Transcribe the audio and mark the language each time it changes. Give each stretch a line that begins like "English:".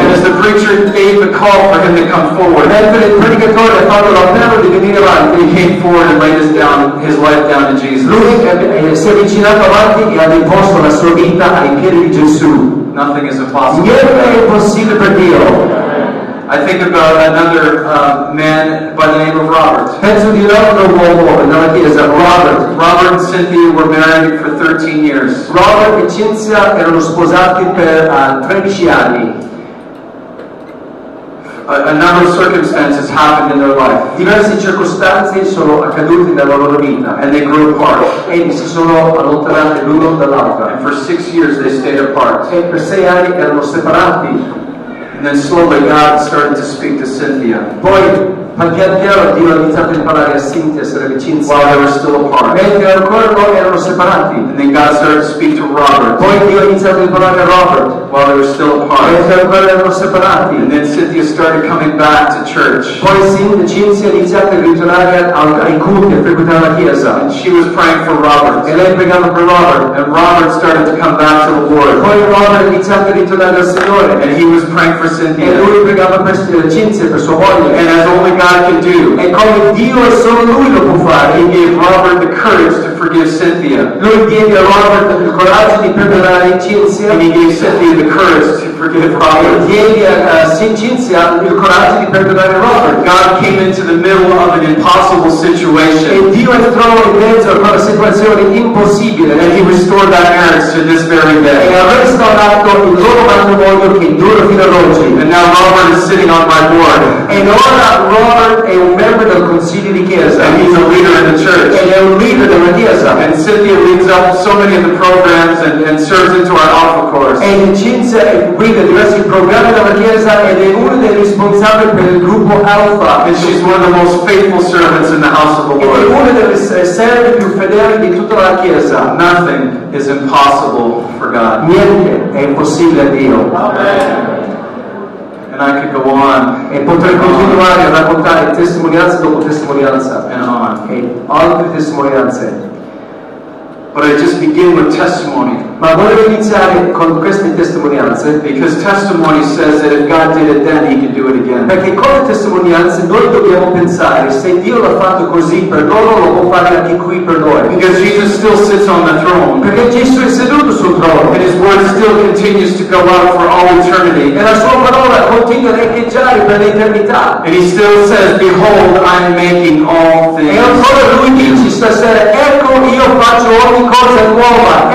English: And as the preacher gave the call for him to come forward,
Italian: mentre il predicatore ha fatto l'appello di venire avanti,
English: he came forward and laid his life down to Jesus.
Italian: Lui si è avvicinato avanti e ha deposto la sua vita ai piedi di Gesù.
English: Nothing is impossible.
Italian: Niente è impossibile per Dio.
English: I think about another man by the name of Robert.
Italian: Penso di un altro uomo nella chiesa, Robert.
English: Robert and Cynthia were married for 13 years.
Italian: Robert e Cynthia erano sposati per 13 anni.
English: A number of circumstances happened in their life.
Italian: Diverse circostanze sono accadute nella loro vita.
English: And they grew apart.
Italian: E si sono allontanati l'uno dall'altro.
English: And for 6 years they stayed apart.
Italian: E per 6 anni erano separati.
English: And then slowly God started to speak to Cynthia.
Italian: Poi, pian piano Dio ha iniziato a parlare a Cynthia, sulla vicinanza.
English: While they were still apart.
Italian: Mentre ancora loro erano separati.
English: And then God started to speak to Robert.
Italian: Poi Dio ha iniziato a parlare a Robert.
English: While they were still apart.
Italian: Mentre ancora erano separati.
English: And then Cynthia started coming back to church.
Italian: Poi Cynthia ha iniziato a ritornare ai culti e frequentare la chiesa.
English: And she was praying for Robert.
Italian: E lei pregava per Robert.
English: And Robert started to come back to the Lord.
Italian: Poi Robert ha iniziato a ritornare al Signore.
English: And he was praying for Cynthia.
Italian: E lui pregava per Cynthia, per sua moglie.
English: And as only God can do.
Italian: E come Dio è solo lui lo può fare.
English: He gave Robert the courage to forgive Cynthia.
Italian: Lui diede a Robert il coraggio di perdonare Cynthia.
English: And he gave Cynthia the courage to forgive Robert.
Italian: Diede a Cynthia il coraggio di perdonare Robert.
English: God came into the middle of an impossible situation.
Italian: E Dio è trovato in mezzo a una situazione impossibile.
English: And he restored that marriage to this very day.
Italian: E ha restaurato il loro matrimonio che dura fino ad oggi.
English: And now Robert is sitting on my board.
Italian: And ora Robert è un membro del consiglio di chiesa.
English: And he's a leader in the church.
Italian: E è un leader della chiesa.
English: And Cynthia leads up so many of the programs and serves into our alpha course.
Italian: E Cynthia guida diversi programmi della chiesa ed è uno dei responsabili responsabile per il gruppo Alpha.
English: And she's one of the most faithful servants in the house of the Lord.
Italian: È una delle serve più fedeli di tutta la chiesa.
English: Nothing is impossible for God.
Italian: Niente è impossibile a Dio.
English: Amen. And I could go on.
Italian: E potrei continuare a raccontare testimonianza dopo testimonianza.
English: And on.
Italian: E altre testimonianze.
English: But I just begin with testimony.
Italian: Ma vorrei iniziare con queste testimonianze.
English: Because testimony says that if God did it then, He can do it again.
Italian: Perché con le testimonianze noi dobbiamo pensare, se Dio l'ha fatto così per loro, lo può fare anche qui per noi.
English: Because Jesus still sits on the throne.
Italian: Perché Gesù è seduto sul trono.
English: And His word still continues to go out for all eternity.
Italian: E la sua parola continua a echeggiare per l'eternità.
English: And He still says, "Behold, I'm making all things."
Italian: E ancora lui dice stasera, ecco io faccio ogni cosa nuova.